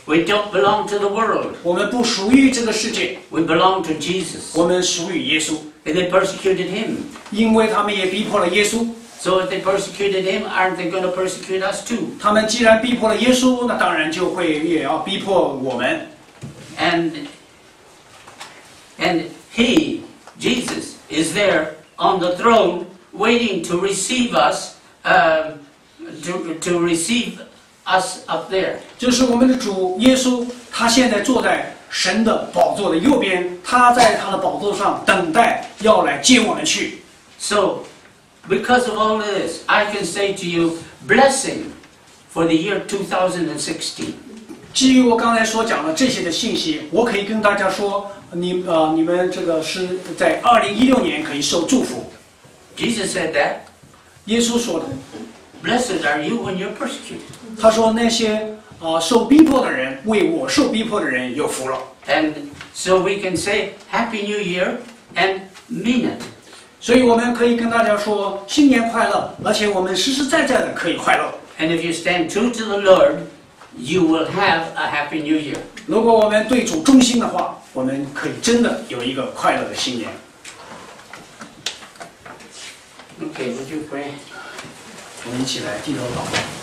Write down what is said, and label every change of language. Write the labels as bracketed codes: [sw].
[en] We don't belong to the world. [zh] 我们不属于这个世界。 [en] We belong to Jesus. [zh] 我们属于耶稣。 [en] And they persecuted him. [zh] 因为他们也逼迫了耶稣。 [en] So if they persecuted him, aren't they going to persecute us too? [zh] 他们既然逼迫了耶稣，那当然就会也要逼迫我们。 [en] And he, Jesus, is there on the throne waiting to receive us, to receive us up there. [zh] 就是我们的主耶稣，他现在坐在神的宝座的右边，他在他的宝座上等待要来接我们去。 [en] So,Because of all this, I can say to you, blessing for the year 2016. [zh] 基于我刚才所讲的这些的信息，我可以跟大家说，你们这个是在2016年可以受祝福。 [en] Jesus said that. [zh] 耶稣说的。 [en] Blessed are you when you're persecuted. [zh] 他说那些受逼迫的人，为我受逼迫的人有福了。 [en] And so we can say Happy New Year and mean it. [zh] 所以我们可以跟大家说新年快乐，而且我们实实在在的可以快乐。 [en] And if you stand true to the Lord, you will have a happy new year. [zh] 如果我们对主忠心的话，我们可以真的有一个快乐的新年。 [en] Okay, would you pray? [zh] 我们一起来低头祷告。